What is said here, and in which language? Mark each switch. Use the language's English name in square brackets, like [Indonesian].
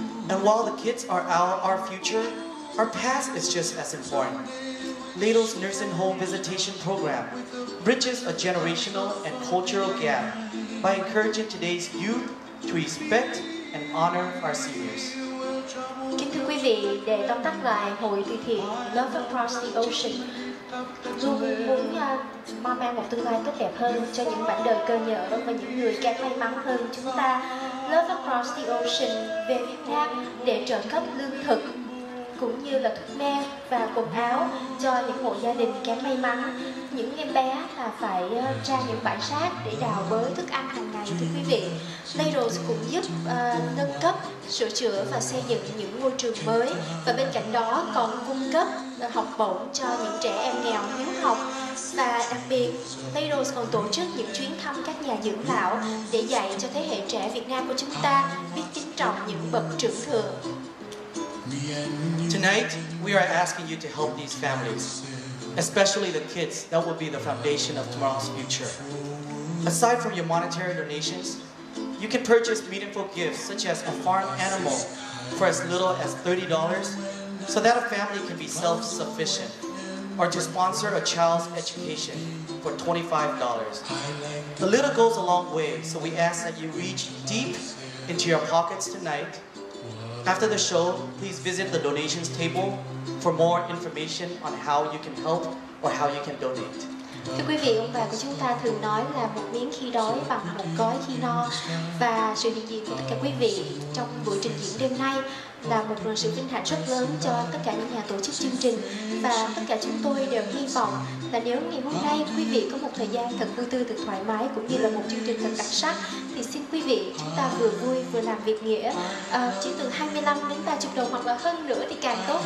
[English] And while the kids are our future, our past is just as important. LATO's nursing home visitation program bridges a generational and cultural gap by encouraging today's youth to respect and honor our seniors. [Vietnamese] Kính thưa quý vị, để tóm tắt lại hội từ thiện Love Across the Ocean, luôn muốn mang một tương lai tốt đẹp hơn cho những mảnh đời cơ nhỡ và những người kém may mắn hơn chúng ta. Love Across the Ocean về Việt Nam để trợ cấp lương thực cũng như là thuốc men và quần áo cho những hộ gia đình kém may mắn, những em bé là phải ra những bãi rác để đào bới thức ăn hàng ngày thưa quý vị. LATO cũng giúp nâng cấp, sửa chữa và xây dựng những ngôi trường mới, và bên cạnh đó còn cung cấp học bổng cho những trẻ em nghèo hiếu học. Và đặc biệt, LATO còn tổ chức những chuyến thăm các nhà dưỡng lão để dạy cho thế hệ trẻ Việt Nam của chúng ta biết kính trọng những bậc trưởng thượng. [English] Tonight, we are asking you to help these families, especially the kids that will be the foundation of tomorrow's future. Aside from your monetary donations, You can purchase meaningful gifts such as a farm animal for as little as $30 so that a family can be self-sufficient, or to sponsor a child's education for $25. A little goes a long way, so we ask that you reach deep into your pockets tonight. After the show, please visit the donations table for more information on how you can help or how you can donate. [Vietnamese] Thưa quý vị, ông bà của chúng ta thường nói là một miếng khi đói bằng một gói khi no. Và sự hiện diện của tất cả quý vị trong buổi trình diễn đêm nay là một nguồn sự vinh hạnh rất lớn cho tất cả những nhà tổ chức chương trình. Và tất cả chúng tôi đều hy vọng là nếu ngày hôm nay quý vị có một thời gian thật vui tươi, thật thoải mái, cũng như là một chương trình thật đặc sắc, thì xin quý vị chúng ta vừa vui vừa làm việc nghĩa, chỉ từ 25 đến 30 đồng hoặc là hơn nữa thì càng tốt.